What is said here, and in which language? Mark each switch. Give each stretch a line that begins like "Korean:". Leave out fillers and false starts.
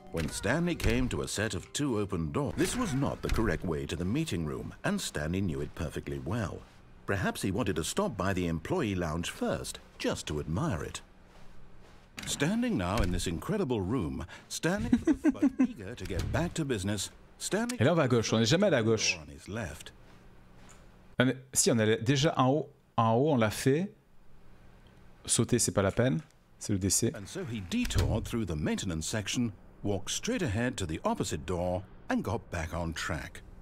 English: When Stanley came to a set of two open doors, this was not the correct way to the meeting room, and Stanley knew it perfectly well. Perhaps he wanted to stop by the employee lounge first, just to admire it. Standing now in this incredible room, Stanley, but eager to get back to business, Stanley...
French: Et là, on va à gauche, on n'est jamais allé à gauche. On est... Si, on est déjà en haut. En haut, on l'a fait. Sauter, c'est pas la peine, c'est le décès.
English: And so he detoured through the maintenance section, walked straight ahead to the opposite door, and got back on track.